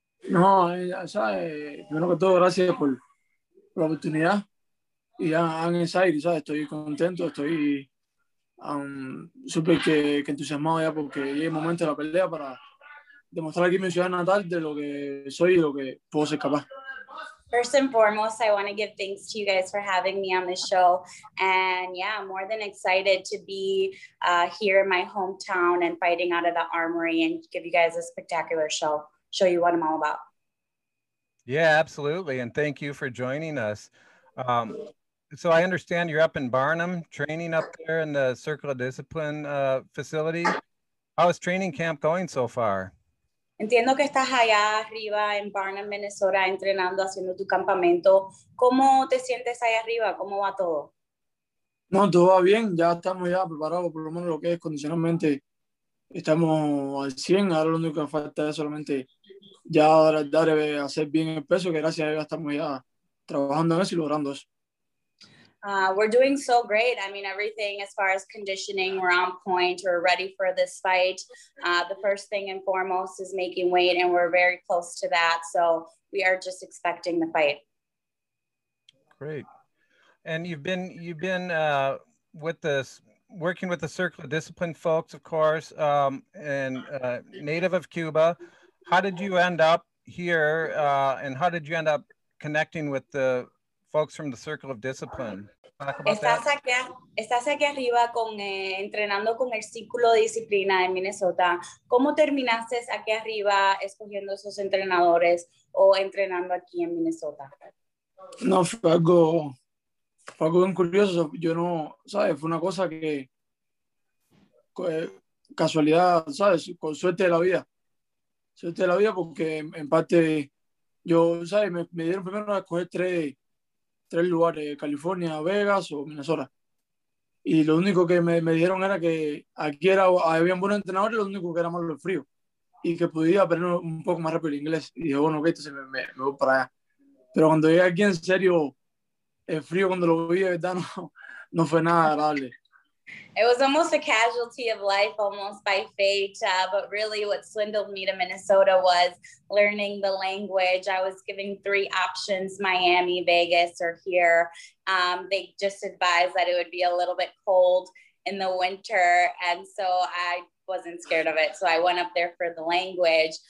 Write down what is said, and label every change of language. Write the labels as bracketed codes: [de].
[es] No, primero que todo, gracias por la oportunidad. Y ya, [en] I'm excited, [es] ¿sabes? Estoy contento, estoy súper que entusiasmado ya porque llega el momento de la pelea para demostrar aquí en mi ciudad natal de lo que soy y lo que puedo ser capaz. [en] First and foremost, I want to give thanks to you guys for having me on the show. And yeah, I'm more than excited to be here in my hometown and fighting out of the Armory and give you guys a spectacular show. Show you what I'm all about. Yeah, absolutely. And thank you for joining us. So I understand you're up in Barnum training up there in the Circle of Discipline facility. How is training camp going so far? [es] Entiendo que estás allá arriba en Barnum, Minnesota, entrenando, haciendo tu campamento. ¿Cómo te sientes ahí arriba? ¿Cómo va todo? No, todo va bien. Ya estamos ya preparados, por lo menos lo que es condicionalmente. Estamos al 100. Ahora lo único que falta es solamente ya dar a hacer bien el peso, que gracias a Dios estamos ya trabajando en eso y logrando eso. [en] We're doing so great. I mean, everything as far as conditioning, we're on point, we're ready for this fight. The first thing and foremost is making weight, and we're very close to that. So we are just expecting the fight. Great. And you've been with this, working with the Circle of Discipline folks, of course, native of Cuba. How did you end up here, and how did you end up connecting with the folks from the Circle of Discipline. [es] Estás aquí arriba con entrenando con el Círculo de Disciplina de Minnesota. ¿Cómo terminaste aquí arriba escogiendo esos entrenadores o entrenando aquí en Minnesota? No, fue algo bien curioso. Yo no, ¿sabes? Fue una cosa que, casualidad, ¿sabes? Con suerte de la vida. Suerte de la vida porque, en parte, yo, ¿sabes? Me dieron primero a escoger tres lugares, California, Vegas o Minnesota. Y lo único que me dijeron era que aquí había buenos entrenadores, lo único que era malo el frío. Y que podía aprender un poco más rápido el inglés. Y dije, bueno, ok, entonces me voy para allá. Pero cuando llegué aquí, en serio, el frío cuando lo vi, de verdad, no fue nada agradable. [en] It was almost a casualty of life, almost by fate. But really what swindled me to Minnesota was learning the language. I was given three options, Miami, Vegas, or here. They just advised that it would be a little bit cold in the winter. And so I wasn't scared of it. So I went up there for the language.